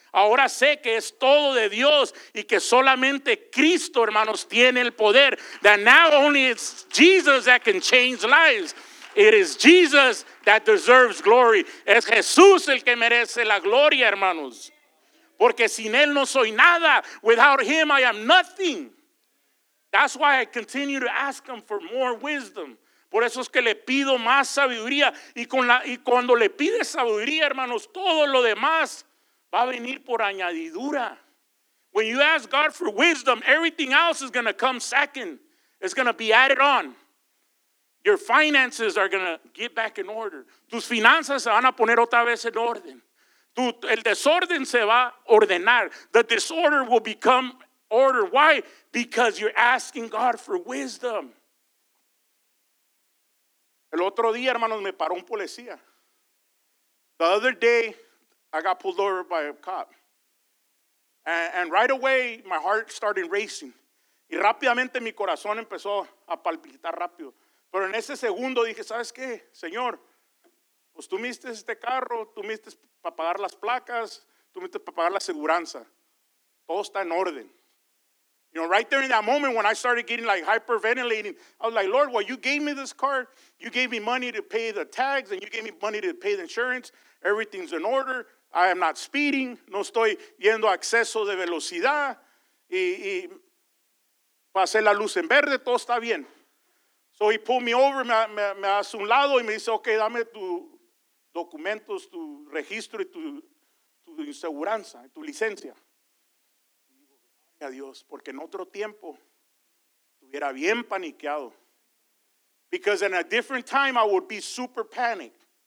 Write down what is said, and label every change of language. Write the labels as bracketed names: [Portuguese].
[Spanish] Ahora sé que es todo de Dios y que solamente Cristo, hermanos, tiene el poder. [English] That now only it's Jesus that can change lives. It is Jesus that deserves glory. [Spanish] Es Jesús el que merece la gloria, hermanos. Porque sin Él no soy nada. [English] Without Him I am nothing. That's why I continue to ask him for more wisdom. [Spanish] Por eso es que le pido más sabiduría. Y cuando le pide sabiduría, hermanos, todo lo demás va a venir por añadidura. [English] When you ask God for wisdom, everything else is going to come second. It's going to be added on. Your finances are going to get back in order. [Spanish] Tus finanzas se van a poner otra vez en orden. El desorden se va a ordenar. [English] The disorder will become order. Why? Because you're asking God for wisdom. [Spanish] El otro día, hermanos, me paró un policía. [English] The other day, I got pulled over by a cop. And right away, my heart started racing. [Spanish] Y rápidamente mi corazón empezó a palpitar rápido. Pero en ese segundo dije, ¿sabes qué, Señor? Pues tú me diste este carro, tú me diste para pagar las placas, tú me diste para pagar la seguranza. Todo está en orden. [English] You know, right there in that moment when I started getting like hyperventilating, I was like, Lord, well, you gave me this car. You gave me money to pay the tags and you gave me money to pay the insurance. Everything's in order. I am not speeding. [Spanish] No estoy yendo a exceso de velocidad. Y pasé la luz en verde. Todo está bien. [English] So he pulled me over. [Spanish] Me hace un lado y me dice, okay, dame tu documentos, tu registro y tu inseguranza, tu licencia. A Dios, porque en otro tiempo estuviera bien paniqueado. [English] Because in a different time I would be super panicked.